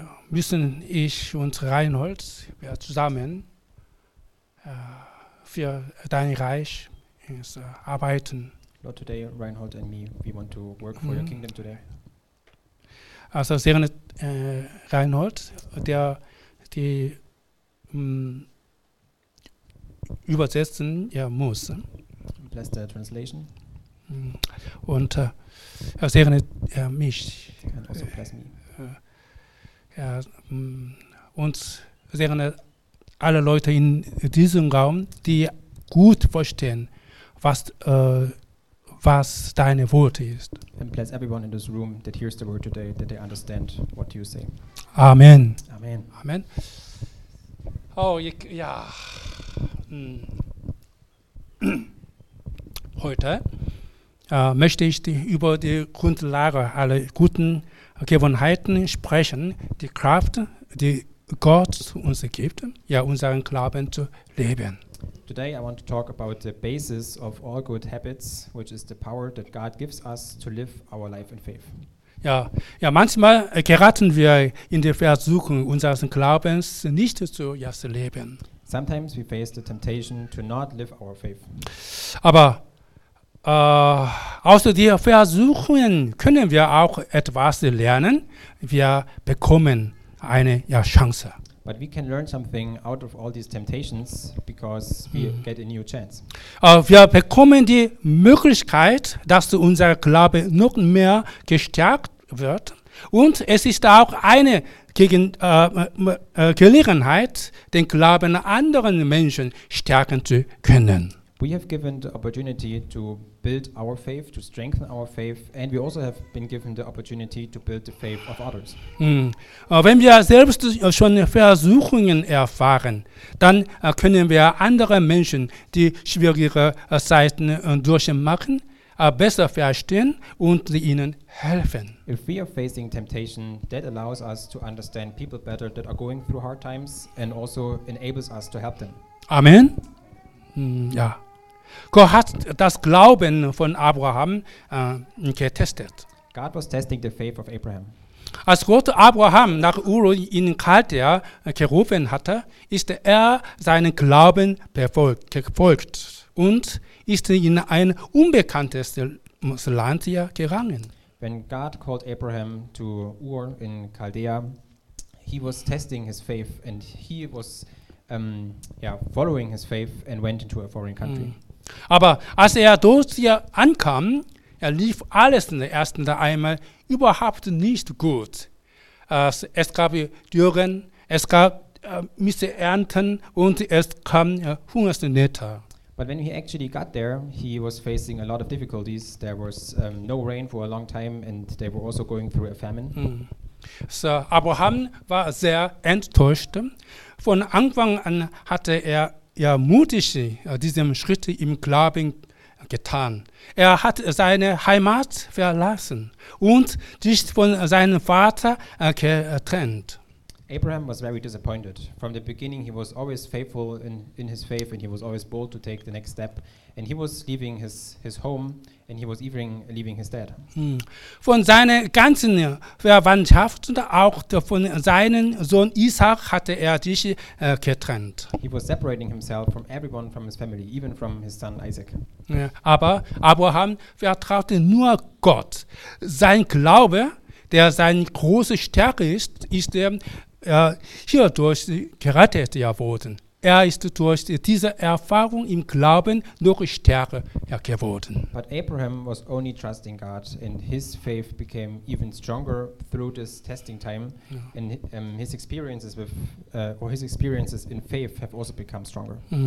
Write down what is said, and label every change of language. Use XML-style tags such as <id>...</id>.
<de>Müssen ich und Reinhold wir zusammen für dein Reich arbeiten.</de> <en>Lord, today Reinhold and me, we want to work for your kingdom today.</en> <de>Also sehr nett, Reinhold, der die übersetzen ja muss.</de> <en>Bless the translation.</en> <de>Und sehr nett, mich.</de> <en>And also bless me.</en> <de>Und sehr gerne alle Leute in diesem Raum, die gut verstehen, was, was deine Worte ist.</de> <en>And bless everyone in this room that hears the word today, that they understand what you say. Amen. Amen.</en> <de>Amen. Oh, ja. Heute möchte ich über die Grundlage aller guten Gewohnheiten sprechen, die Kraft, die Gott uns gibt, ja, unseren Glauben zu leben.</de> <en>Today I want to talk about the basis of all good habits, which is the power that God gives us to live our life in faith.</en> <de>Ja, ja, manchmal geraten wir in die Versuchung, unseren Glaubens nicht zu, ja, zu leben.</de> <en>Sometimes we face the temptation to not live our faith.</en> <de>Aber außer die Versuchungen können wir auch etwas lernen. Wir bekommen eine, ja, Chance.</de> <en>But we can learn something out of all these temptations because we get a new chance.</en> <de>Wir bekommen die Möglichkeit, dass unser Glaube noch mehr gestärkt wird. Und es ist auch eine Gelegenheit, den Glauben anderen Menschen stärken zu können.</de> <en>We have given the opportunity to build our faith, to strengthen our faith, and we also have been given the opportunity to build the faith of others.</en> <de>Wenn wir selbst schon Versuchungen erfahren, dann können wir andere Menschen, die schwierige Zeiten durchmachen, besser verstehen und ihnen helfen.</de> <en>If we are facing temptation, that allows us to understand people better that are going through hard times and also enables us to help them.</en> <de>Amen. Ja. Gott hat das Glauben von Abraham getestet.</de> <en>God was testing the faith of Abraham.</en> <de>Als Gott Abraham nach Ur in Chaldea gerufen hatte, ist er seinen Glauben gefolgt und ist in ein unbekanntes Land gegangen.</de> <en>When God called Abraham to Ur in Chaldea, he was testing his faith and he was following his faith and went into a foreign country.</en> <de>Aber als er dort hier ankam, er lief alles in der ersten einmal überhaupt nicht gut. Es gab Dürren, es gab Missernten und es kam Hungersnöte.</de> <en>But when he actually got there, he was facing a lot of difficulties. There was no rain for a long time and they were also going through a famine.</en> <de>So Abraham war sehr enttäuscht. Von Anfang an hatte er ja mutig diesem Schritt im Glauben getan. Er hat seine Heimat verlassen und sich von seinem Vater getrennt.</de> <en>Abraham was very disappointed. From the beginning he was always faithful in his faith and he was always bold to take the next step. And he was leaving his home and he was even leaving his dad.</en> <de>Von seiner ganzen Verwandtschaft und auch von seinem Sohn Isaac hatte er sich getrennt.</de> <en>He was separating himself from everyone from his family, even from his son Isaac.</en> <de>Ja, aber Abraham vertraute nur Gott. Sein Glaube, der seine große Stärke ist, ist der hierdurch gerettet worden. Er ist durch diese Erfahrung im Glauben noch stärker geworden.</de> <en>But Abraham was only trusting God and his faith became even stronger through this testing time and his experiences with or his experiences in faith have also become stronger.</en>